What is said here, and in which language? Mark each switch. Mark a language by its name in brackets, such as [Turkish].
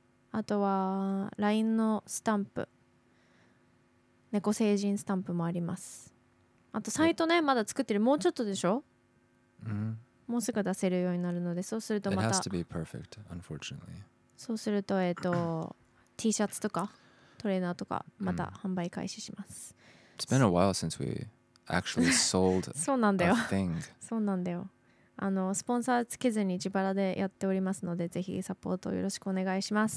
[Japanese] あとは LINE のスタンプ、猫星人スタンプもあります。あとサイトね、まだ作ってる。もうちょっとでしょ、もうすぐ出せるようになるので、そうするとまた [English] It has to be perfect, unfortunately. [Japanese] そうすると、T シャツとかトレーナーとかまた販売開始します。 [English] It's been a while since weActually sold a thing. [Japanese] そうなんだよ。あの、スポンサーつけずに自腹でやっておりますので、ぜひサポートよろしくお願いします。